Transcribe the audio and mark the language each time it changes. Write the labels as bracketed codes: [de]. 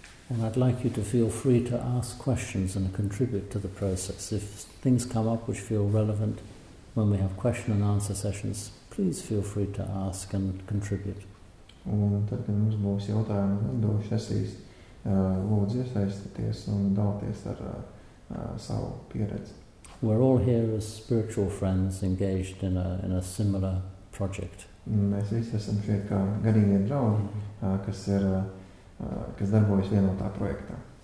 [en] And I'd like you to feel free to ask questions and contribute to the process. If things come up which feel relevant when we have question and answer sessions, please feel free to ask and contribute. [lv] Un tad, kad mums būs jautājumi un atbildes sesijas, lūdzu iesaistieties un dalieties ar savu pieredzi. [en] We're all here as spiritual friends engaged in a similar project. [lv] Mēs visi esam šeit kā garīgie draugi, kas ir kas darbojas vienotā projektā.